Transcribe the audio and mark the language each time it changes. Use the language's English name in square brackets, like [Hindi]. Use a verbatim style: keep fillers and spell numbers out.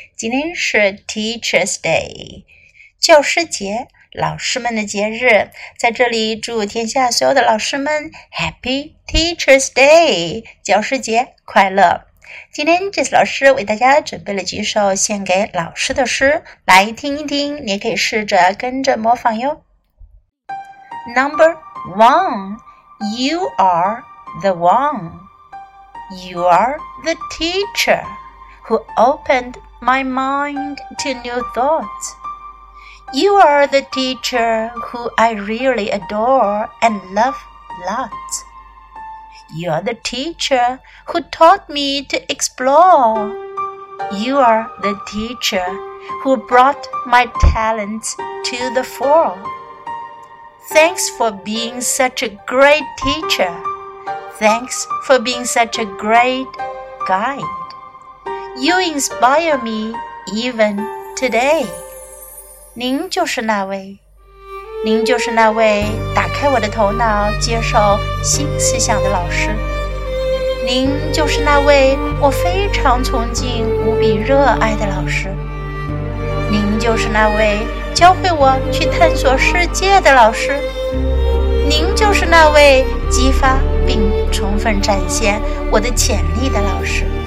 [Chinese] 今天是 Teacher's Day， 教师节，老师们的节日。在这里祝天下所有的老师们 [English] Happy Teacher's Day， [Chinese] 教师节快乐。今天 Jessie 老师为大家准备了几首献给老师的诗，来听一听，你也可以试着跟着模仿哟。 [English] Number one, you are the one. You are the teacher who opened my mind to new thoughts. You are the teacher who I really adore and love lots. You are the teacher who taught me to explore. You are the teacher who brought my talents to the fore. Thanks for being such a great teacher. Thanks for being such a great guide. You inspire me even today. [Chinese] 您就是那位，您就是那位打开我的头脑接受新思想的老师。您就是那位我非常崇敬无比热爱的老师。您就是那位教会我去探索世界的老师，您就是那位激发并充分展现我的潜力的老师。